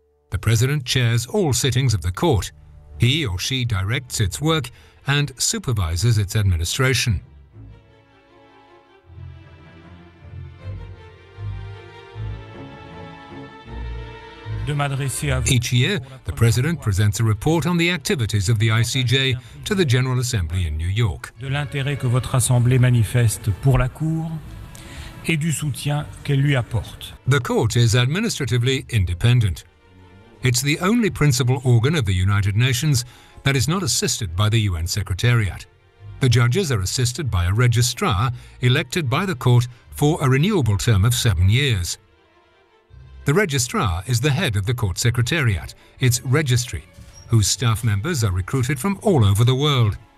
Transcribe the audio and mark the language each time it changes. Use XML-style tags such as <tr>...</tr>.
<en>The president chairs all sittings of the court. He or she directs its work and supervises its administration. Each year, the president presents a report on the activities of the ICJ to the General Assembly in New York.</en> <fr>De l'intérêt que votre assemblée manifeste pour la Cour et du soutien qu'elle lui apporte.</fr> <en>The court is administratively independent. It's the only principal organ of the United Nations that is not assisted by the UN Secretariat. The judges are assisted by a registrar elected by the court for a renewable term of 7 years. The registrar is the head of the court secretariat, its registry, whose staff members are recruited from all over the world.</en>